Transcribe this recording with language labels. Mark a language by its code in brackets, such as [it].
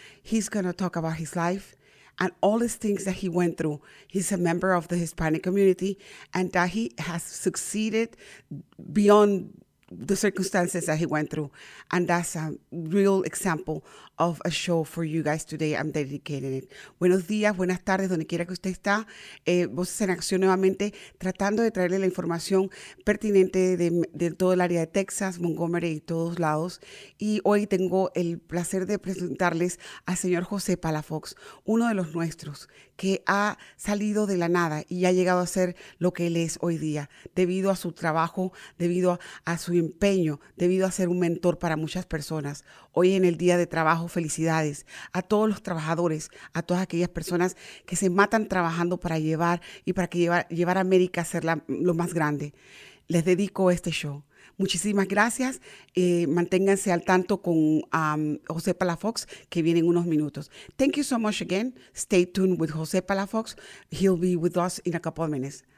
[en] He's going to talk about his life and all these things that he went through. He's a member of the Hispanic community, and that he has succeeded beyond the circumstances that he went through. And that's a real example of a show for you guys today. I'm dedicating it. [es] Buenos días, buenas tardes, donde quiera que usted está. Voces en Acción nuevamente, tratando de traerle la información pertinente de todo el área de Texas, Montgomery y todos lados. Y hoy tengo el placer de presentarles al señor José Palafox, uno de los nuestros, que ha salido de la nada y ha llegado a ser lo que él es hoy día, debido a su trabajo, debido a su empeño, debido a ser un mentor para muchas personas. Hoy en el día de trabajo, felicidades a todos los trabajadores, a todas aquellas personas que se matan trabajando para llevar y para que llevar a América a ser lo más grande. Les dedico este show. Muchísimas gracias. Manténganse al tanto con José Palafox, que viene en unos minutos. [en] Thank you so much again. Stay tuned with José Palafox. He'll be with us in a couple of minutes.